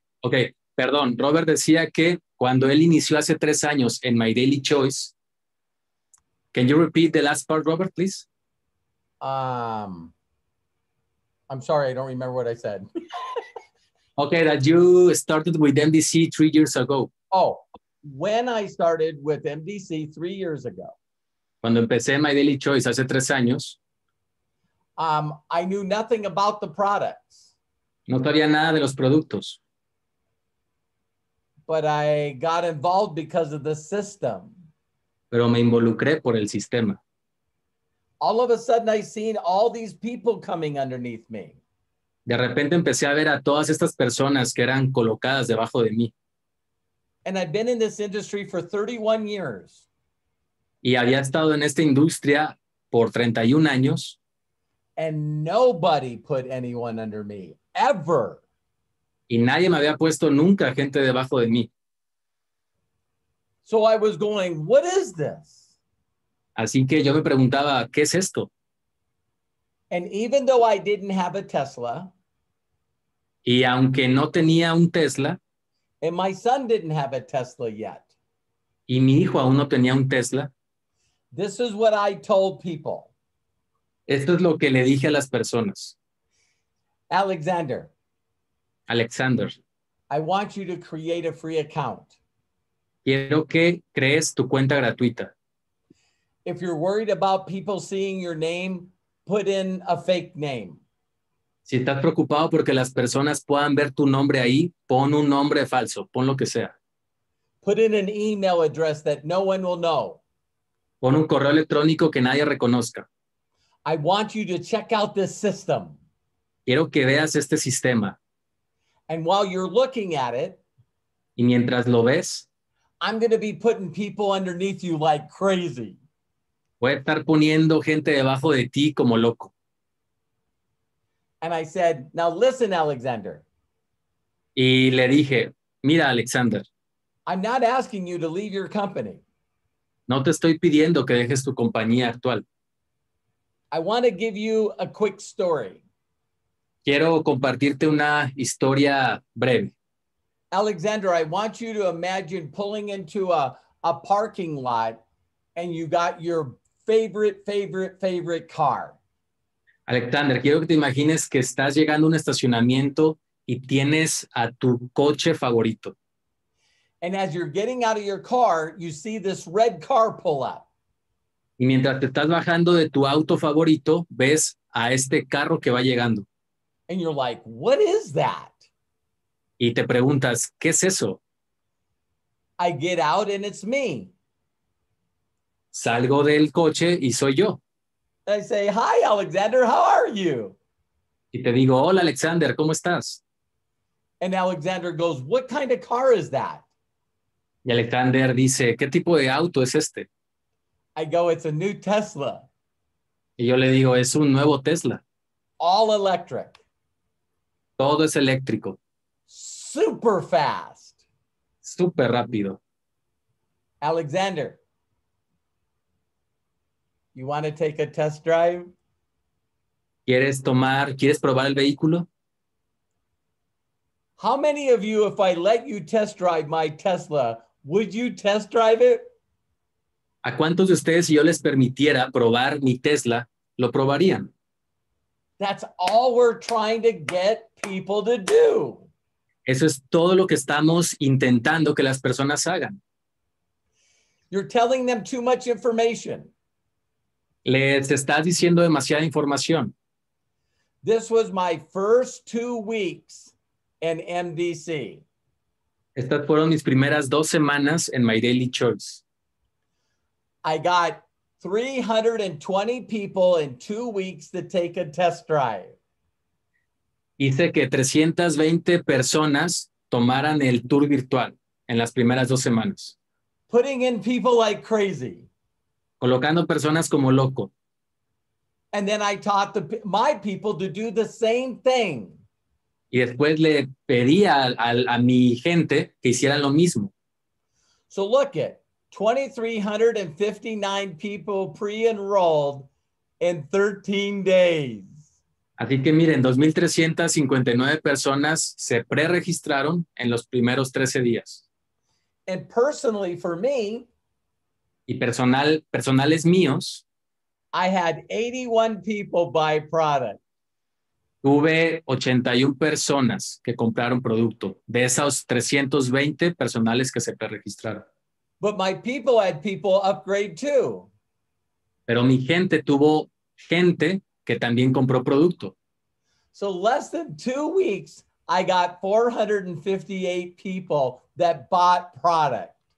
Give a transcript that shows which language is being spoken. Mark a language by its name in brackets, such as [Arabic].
[Spanish] Okay, perdón. Robert decía que cuando él inició hace 3 años en My Daily Choice. [English] Can you repeat the last part, Robert, please? I'm sorry, I don't remember what I said. Okay, that you started with MDC 3 years ago. Oh, when I started with MDC 3 years ago. [Spanish] Cuando empecé My Daily Choice hace 3 años. [English] I knew nothing about the products. [Spanish] No sabía nada de los productos. [English] But I got involved because of the system. [Spanish] Pero me involucré por el sistema. [English] All of a sudden I seen all these people coming underneath me. [Spanish] De repente empecé a ver a todas estas personas que eran colocadas debajo de mí. [English] And I've been in this industry for 31 years. [Spanish] Y había estado en esta industria por 31 años. [English] And nobody put anyone under me, ever. [Spanish] Y nadie me había puesto nunca gente debajo de mí. [English] So I was going, what is this? [Spanish] Así que yo me preguntaba, ¿qué es esto? [English] And even though I didn't have a Tesla, [Spanish] y aunque no tenía un Tesla, [English] and my son didn't have a Tesla yet, [Spanish] y mi hijo aún no tenía un Tesla, [English] this is what I told people. [Spanish] Esto es lo que le dije a las personas. [English] Alexander, I want you to create a free account. [Spanish] Quiero que crees tu cuenta gratuita. [English] If you're worried about people seeing your name, put in a fake name. [Spanish] Si estás preocupado porque las personas puedan ver tu nombre ahí, pon un nombre falso, pon lo que sea. [English] Put in an email address that no one will know. [Spanish] Pon un correo electrónico que nadie reconozca. [English] I want you to check out this system. [Spanish] Quiero que veas este sistema. [English] And while you're looking at it, [Spanish] y mientras lo ves, [English] I'm going to be putting people underneath you like crazy. [Spanish] Voy a estar poniendo gente debajo de ti como loco. [English] And I said, now listen, Alexander. [Spanish] Y le dije, mira, Alexander. [English] I'm not asking you to leave your company. [Spanish] No te estoy pidiendo que dejes tu compañía actual. [English] I want to give you a quick story. [Spanish] Quiero compartirte una historia breve. [English] Alexander, I want you to imagine pulling into a parking lot and you got your favorite car. [Spanish] Alexander, quiero que te imagines que estás llegando a un estacionamiento y tienes a tu coche favorito. [English] And as you're getting out of your car, you see this red car pull up. [Spanish] Y mientras te estás bajando de tu auto favorito, ves a este carro que va llegando. [English] And you're like, what is that? [Spanish] Y te preguntas, ¿qué es eso? [English] I get out and it's me. [Spanish] Salgo del coche y soy yo. [English] I say, hi, Alexander, how are you? [Spanish] Y te digo, hola, Alexander, ¿cómo estás? [English] And Alexander goes, what kind of car is that? [Spanish] Y Alexander dice, ¿qué tipo de auto es este? [English] I go, it's a new Tesla. [Spanish] Y yo le digo, es un nuevo Tesla. [English] All electric. [Spanish] Todo es eléctrico. [English] Super fast. [Spanish] Super rápido. [English] Alexander, you want to take a test drive? [Spanish] ¿Quieres probar el vehículo? [English] How many of you, if I let you test drive my Tesla, would you test drive it? [Spanish] ¿A cuántos de ustedes, si yo les permitiera probar mi Tesla, lo probarían? [English] That's all we're trying to get people to do. [Spanish] Eso es todo lo que estamos intentando que las personas hagan. [English] You're telling them too much information. [Spanish] Les estás diciendo demasiada información. [English] This was my first 2 weeks in MDC. [Spanish] Estas fueron mis primeras 2 semanas en My Daily Choice. [English] I got 320 people in 2 weeks to take a test drive. [Spanish] Hice que 320 personas tomaran el tour virtual en las primeras dos semanas. [English] Putting in people like crazy. [Spanish] Colocando personas como loco. [English] And then I taught my people to do the same thing. [Spanish] Y después le pedí a mi gente que hicieran lo mismo. [English] So look at 2,359 people pre-enrolled in 13 days. [Spanish] Así que miren, 2,359 personas se pre-registraron en los primeros 13 días. [English] And personally for me, [Spanish] y personales míos, [English] I had 81 people buy product. [Spanish] Tuve 81 personas que compraron producto de esos 320 personales que se pre-registraron. [English] But my people had people upgrade too. [Spanish] Pero mi gente tuvo gente que también compró producto. [English] So less than 2 weeks, I got 458 people that bought product.